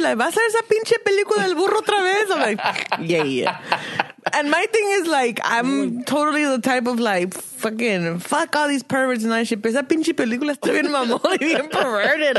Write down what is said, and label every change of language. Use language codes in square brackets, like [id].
[es] Like, ¿vas a ver esa pinche película del burro otra vez? [en] I'm like, yeah. And my thing is, like, I'm totally the type of, like, fucking fuck all these perverts and that shit. [es] Esa pinche película está bien mamón y bien perverted.